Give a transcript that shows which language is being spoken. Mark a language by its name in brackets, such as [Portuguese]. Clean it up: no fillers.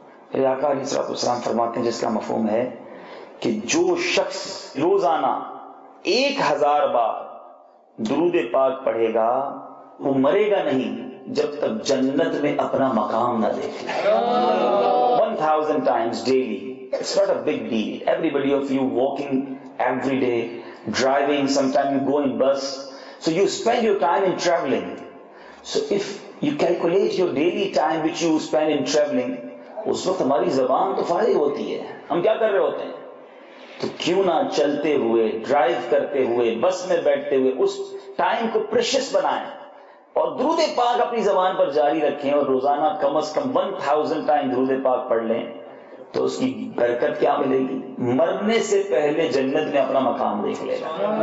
[Urdu] پھر آقا علیہ الصلوۃ والسلام فرماتے ہیں جس کا مفہوم ہے کہ جو شخص روزانہ 1000 بار درود پاک پڑھے گا وہ مرے گا نہیں جب تک جنت میں اپنا مقام نہ دیکھ. [English] 1000 times daily, it's not a big deal. Everybody of you walking every day, driving, sometimes you go in bus, so you spend your time in traveling. So if you calculate your daily time which you spend in traveling, [Urdu] اس وقت ہماری زبان تو فارغ ہوتی ہے, ہم کیا کر رہے ہوتے [English] ہیں. [Urdu] تو کیوں نہ چلتے ہوئے, ڈرائیو کرتے ہوئے, بس میں بیٹھتے ہوئے اس ٹائم کو پریشس بنائیں اور درود پاک اپنی زبان پر جاری رکھیں اور روزانہ کم از کم 1000 times درود پاک پڑھ لیں تو اس کی برکت کیا ملے گی, مرنے سے پہلے جنت میں اپنا مقام دیکھ لے گا.